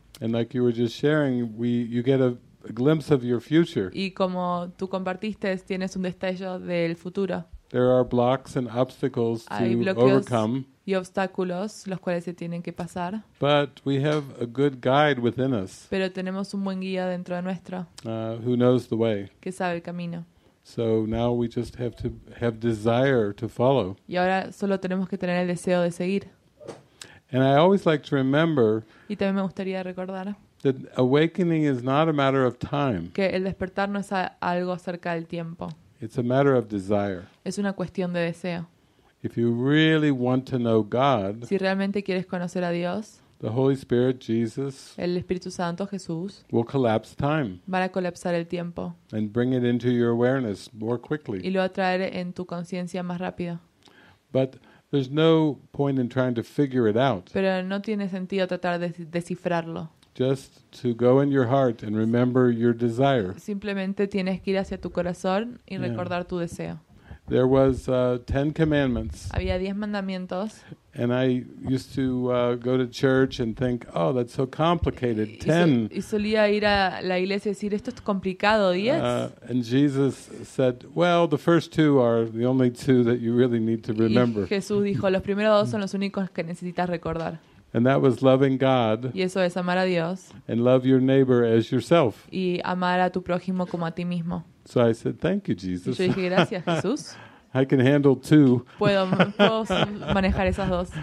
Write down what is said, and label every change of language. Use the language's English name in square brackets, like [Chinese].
[English] And like you were just sharing, you get a a glimpse of your future. [Spanish] Y como tú compartiste, tienes un destello del futuro. [English] There are blocks and obstacles to overcome. [Spanish] Y obstáculos los cuales se tienen que pasar. [English] But we have a good guide within us. [Spanish] Pero tenemos un buen guía dentro de nuestro. [English] Who knows the way? [Spanish] Que sabe el camino. [English] So now we just have to have desire to follow. [Spanish] Y ahora solo tenemos que tener el deseo de seguir. [English] And I always like to remember. [Spanish] Y también me gustaría recordar. [English] That awakening is not a matter of time. [Spanish] Que el despertar no es algo acerca del tiempo. [English] It's a matter of desire. [Spanish] Es una cuestión de deseo. [English] If you really want to know God, [Spanish] si realmente quieres conocer a Dios, [English] the Holy Spirit, Jesus, [Spanish] el Espíritu Santo, Jesús, [English] will collapse time. [Spanish] Van a colapsar el tiempo. [English] And bring it into your awareness more quickly. [Spanish] Y lo va a traer en tu conciencia más rápido. [English] But there's no point in trying to figure it out. [Spanish] Pero no tiene sentido tratar de descifrarlo. [English] Just to go in your heart and remember your desire. [Spanish] Simplemente tienes que ir hacia tu corazón y recordar tu deseo. [English] There was 10 commandments. [Spanish] Había 10 mandamientos. [English] And I used to go to church and think, "Oh, that's so complicated." 10. [Spanish] Y solía ir a la iglesia y decir, "Esto es complicado, 10." [English] And Jesus said, "Well, the first two are the only two that you really need to remember." [Spanish] Y Jesús dijo, "Los primeros dos son los únicos que necesitas recordar." [English] And that was loving God. [Spanish] Y eso es amar a Dios. [English] And love your neighbor as yourself. [Spanish] Y amar a tu prójimo como a ti mismo. [English] So I said, "Thank you, Jesus." [Spanish] Yo dije, gracias, Jesús. [English] I can handle two. [Spanish] Puedo manejar esas dos.